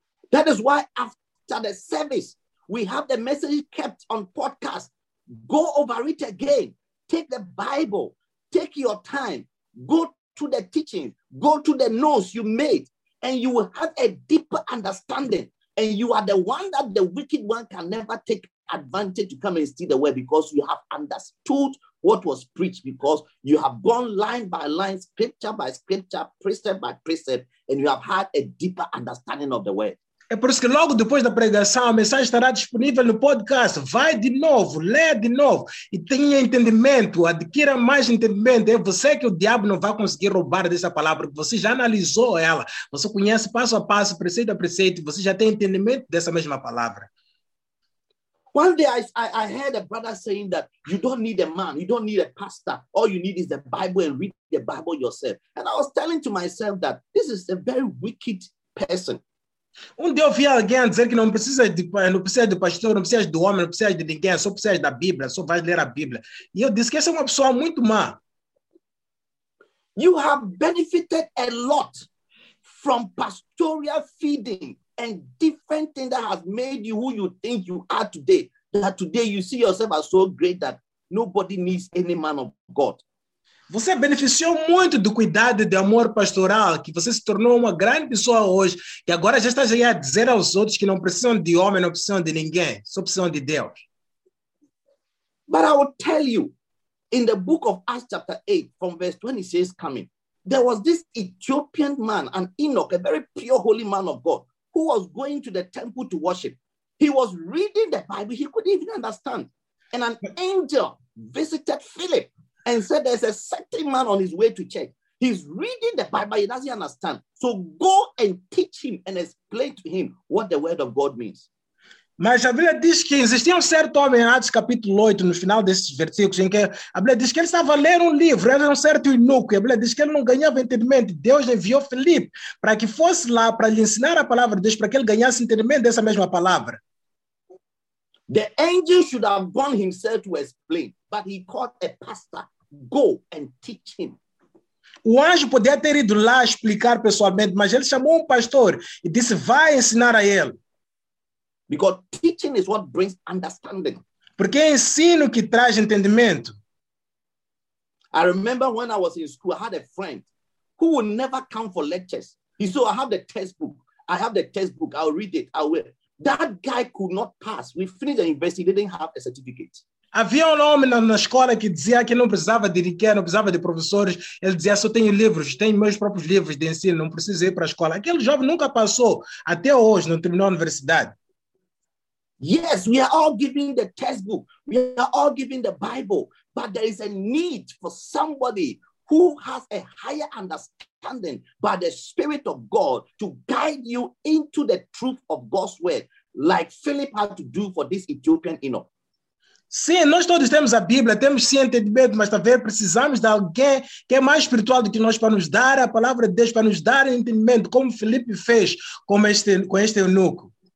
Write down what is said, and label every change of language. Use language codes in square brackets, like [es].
[en] That is why after the service, we have the message kept on podcast. Go over it again. Take the Bible. Take your time, go to the teaching, go to the notes you made, and you will have a deeper understanding. And you are the one that the wicked one can never take advantage to come and steal the word because you have understood what was preached, because you have gone line by line, scripture by scripture, precept by precept, and you have had a deeper understanding of the word. [pt] É por isso que logo depois da pregação, a mensagem estará disponível no podcast. Vai de novo, leia de novo e tenha entendimento, adquira mais entendimento. É você que o diabo não vai conseguir roubar dessa palavra, porque você já analisou ela. Você conhece passo a passo, preceito a preceito, você já tem entendimento dessa mesma palavra. [en] One day I heard a brother saying that you don't need a man, you don't need a pastor. All you need is the Bible and read the Bible yourself. And I was telling to myself that this is a very wicked person. [pt] Um dia eu vi alguém dizer que não precisa de pastor, não precisa de homem, não precisa de ninguém, só precisa da Bíblia, só vai ler a Bíblia. E eu disse que essa é uma pessoa muito má. [en] You have benefited a lot from pastoral feeding and different things that have made you who you think you are today. That today you see yourself as so great that nobody needs any man of God. [pt] Você beneficiou muito do cuidado e do amor pastoral, que você se tornou uma grande pessoa hoje, e agora já está aí a dizer aos outros que não precisam de homem, não precisam de ninguém, só precisam de Deus. [en] But I will tell you, in the book of Acts chapter 8, from verse 26 coming, there was this Ethiopian man, an Enoch, a very pure, holy man of God, who was going to the temple to worship. He was reading the Bible, he couldn't even understand. And an angel visited Philip, and said, there's a certain man on his way to church. He's reading the Bible, he doesn't understand. So go and teach him and explain to him what the word of God means. [pt] Mas a Bíblia diz que existia um certo homem em Atos capítulo 8, no final desses versículos, em que a Bíblia diz que ele estava a ler um livro, era um certo eunuco, e a Bíblia diz que ele não ganhava entendimento. Deus enviou Filipe para que fosse lá para lhe ensinar a palavra de Deus, para que ele ganhasse entendimento dessa mesma palavra. [en] The angel should have gone himself to explain, but he called a pastor. Go and teach him. [pt] O anjo podia ter ido lá explicar pessoalmente, mas ele chamou pastor e disse, vai ensinar a ele. [en] Because teaching is what brings understanding. [pt] Porque é ensino que traz entendimento. [en] I remember when I was in school, I had a friend who would never come for lectures. He said, I have the textbook, I'll read it, I will. That guy could not pass. We finished the university, he didn't have a certificate. [pt] Havia um homem na escola que dizia que não precisava de ninguém, não precisava de professores. Ele dizia, só tenho livros, tenho meus próprios livros de ensino, não preciso ir para a escola. Aquele jovem nunca passou, até hoje, não terminou a universidade. [en] Yes, we are all giving the textbook, we are all giving the Bible, but there is a need for somebody who has a higher understanding by the Spirit of God to guide you into the truth of God's word, like Philip had to do for this Ethiopian Enoch. [pt] Sim, nós todos temos a Bíblia, temos sim entendimento, mas também precisamos de alguém que é mais espiritual do que nós para nos dar a palavra de Deus, para nos dar entendimento, como Filipe fez com este eunuco.